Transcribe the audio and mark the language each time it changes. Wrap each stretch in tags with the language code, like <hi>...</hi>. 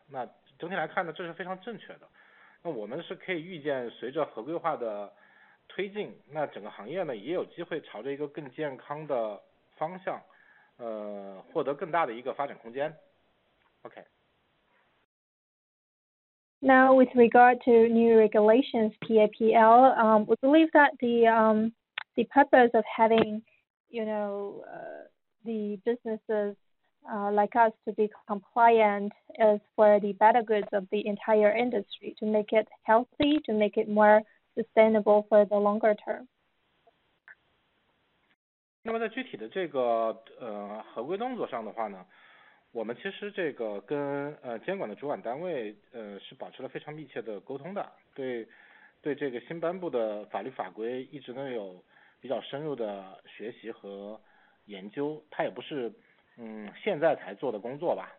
<zh>那整体来看呢，这是非常正确的。那我们是可以预见，随着合规化的推进，那整个行业呢也有机会朝着一个更健康的方向，获得更大的一个发展空间。OK。</zh> <en>Now, with regard to new regulations, PAPL, we believe that the purpose of having, you know, the businesses like us to be compliant is for the better goods of the entire industry, to make it healthy, to make it more sustainable for the longer term.</en> <zh>那么在具体的这个合规动作上的话呢，我们其实这个跟监管的主管单位是保持了非常密切的沟通的，对这个新颁布的法律法规一直呢有比较深入的学习和研究，它也不是现在才做的工作吧。</zh>